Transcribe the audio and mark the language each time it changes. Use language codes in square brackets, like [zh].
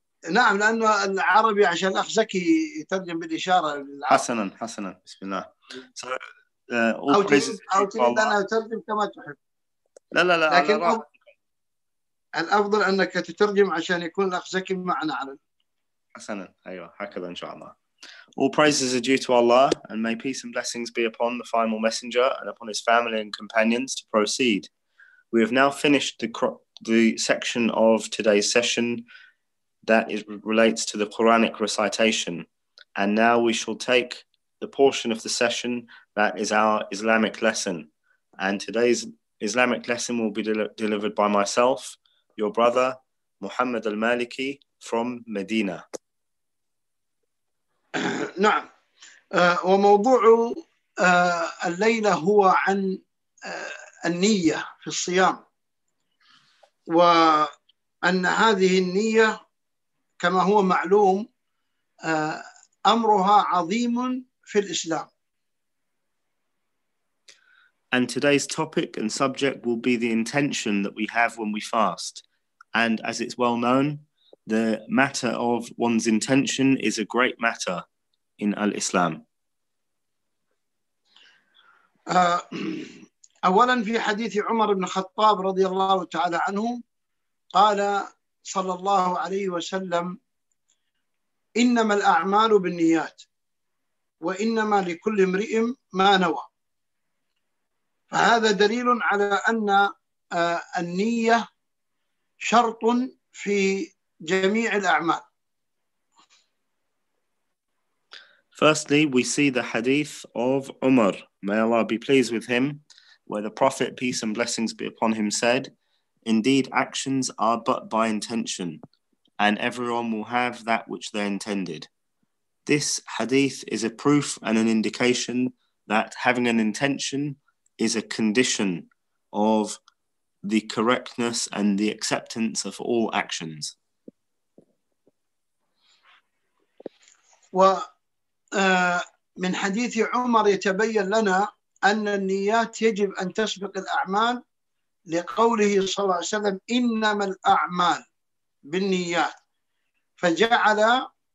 [ar] نعم، لأنه العربي عشان أخ زكي يترجم بالإشارة. حسناً حسناً، بسم الله. أو ترجم كما تحب. لا لا لا، لكن الأفضل أنك تترجم عشان يكون الأخ زكي معنا على. حسناً، أيوة هكذا إن شاء الله. [en] All praises are due to Allah, and may peace and blessings be upon the final messenger and upon his family and companions to proceed. We have now finished the section of today's session that is relates to the Quranic recitation, and now we shall take the portion of the session that is our Islamic lesson. And today's Islamic lesson will be delivered by myself, your brother Muhammad Al-Maliki from Medina. [ar] نعم، وموضوع الليلة هو عن النية في الصيام، وأن هذه النية كما هو معلوم أمرها عظيم في الإسلام. [en] And today's topic and subject will be the intention that we have when we fast. And as it's well known, the matter of one's intention is a great matter in al-Islam. [ar] أولا في حديث عمر بن الخطاب رضي الله تعالى عنه قال صلى الله عليه وسلم إنما الأعمال بالنيات وإنما لكل امرئ ما نوى، فهذا دليل على أن النية شرط في جميع الأعمال. [en] Firstly, we see the hadith of Umar, may Allah be pleased with him, where the Prophet, peace and blessings be upon him, said, indeed, actions are but by intention, and everyone will have that which they intended. This hadith is a proof and an indication that having an intention is a condition of the correctness and the acceptance of all actions. Well, [ar] من حديث عمر يتبين لنا أن النيات يجب أن تسبق الأعمال لقوله صلى الله عليه وسلم إنما الأعمال بالنيات، فجعل